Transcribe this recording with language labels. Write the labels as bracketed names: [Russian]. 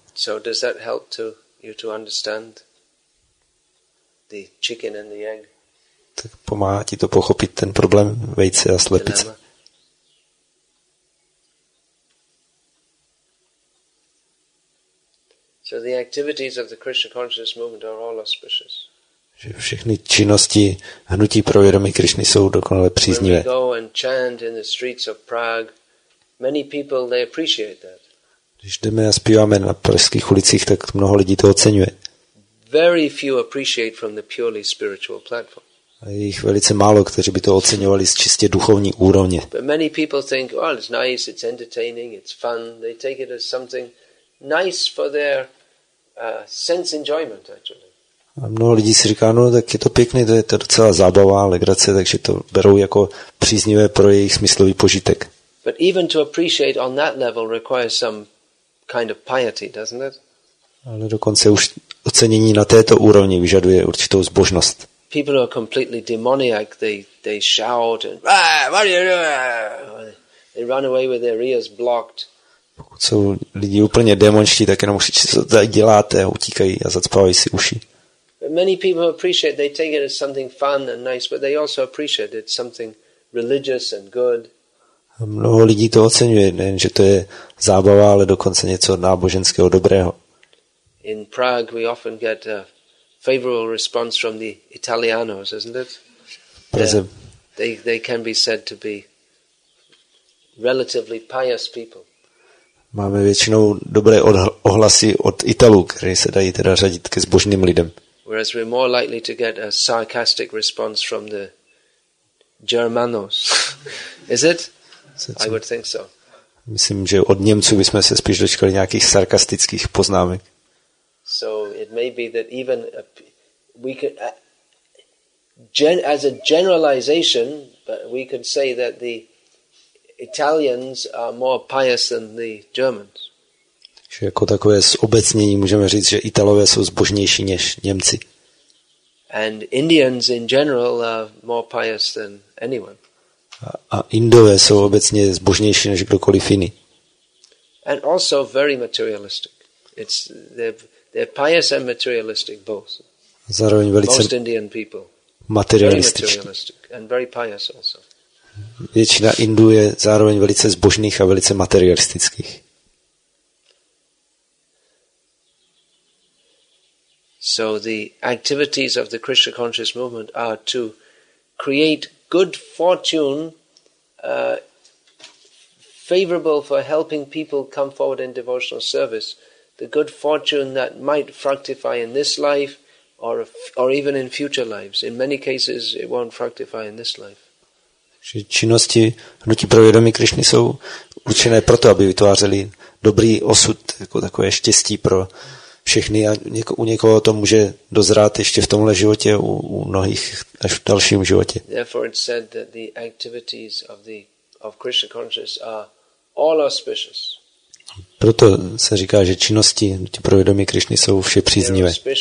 [English] So does that help to you to understand the chicken and the egg? [Czech] Tak pomáhá ti to pochopit ten problém vejce a slepice. Dilema. [English] So the activities of the Krishna consciousness movement are all auspicious. [Czech] Že všechny činnosti hnutí pro vědomí Krishny jsou dokonale příznivé. [English] When we go and chant in the streets of Prague, many people they appreciate that. [Czech] Když jdeme a zpíváme na pražských ulicích, tak mnoho lidí to oceňuje. [English] very few appreciate from the purely spiritual platform. [Czech] Je jich velice málo, kteří by to oceňovali z čistě duchovní úrovně. [English] But many people think, well, it's nice, it's entertaining, it's fun. They take it as something nice for their sense enjoyment, actually. [Czech] A mnoho lidí si říká, no tak je to pěkný, to je to docela zábava, legrace, takže to berou jako příznivé pro jejich smyslový požitek. [English] But even to appreciate on that level requires some kind of piety, doesn't it? [Czech] Ale dokonce už ocenění na této úrovni vyžaduje určitou zbožnost. [English] People who are completely demoniac, they shout and ah, what are you doing? They run away with their ears blocked. [Czech] Pokud jsou lidi úplně démonští, tak jenom říct, co tady děláte, utíkají a zacpávají si uši. [English] But many people appreciate, they take it as something fun and nice, but they also appreciate it's something religious and good. [Czech] Mnoho lidí to oceňuje, nejen, že to je zábava, ale dokonce něco náboženského dobrého. [English] In Prague we often get a favorable response from the Italianos, isn't it? They can be said to be relatively pious people. [Czech] Máme většinou dobré ohlasy od Italů, kteří se dají teda řadit ke zbožným lidem. [English] Whereas we're more likely to get a sarcastic response from the Germanos. Is it? I would think so. [Czech] Myslím, že od Němců bychom se spíš dočkali nějakých sarkastických poznámek. [English] So it may be that even we could as a generalization, but we could say that the Italians are more pious than the Germans. [Czech] Že jako takové zobecnění můžeme říct, že Italové jsou zbožnější než Němci. [English] And Indians in general are more pious than anyone. [Czech] A Indové jsou obecně zbožnější než kdokoliv jiný. [English] And also very materialistic. They're pious and materialistic both. [Czech] Zároveň velice [English] most Indian people. Materialistic and very pious also. [Czech] Většina Indů je zároveň velice zbožných a velice materialistických. [English] So the activities of the Krishna conscious movement are to create good fortune, favorable for helping people come forward in devotional service. The good fortune that might fructify in this life, or even in future lives. In many cases, it won't fructify in this life. [Czech] Činnosti hnutí pro vědomí Krišny jsou určené proto, aby vytvářeli dobrý osud, jako takové štěstí pro všechny. A u někoho to může dozrát ještě v tomhle životě, u mnohých až v dalším životě. [English] Therefore, it's said that the activities of Krishna consciousness are all auspicious. [Czech] Proto se říká, že činnosti hnutí pro vědomí Krišny jsou vše příznivé.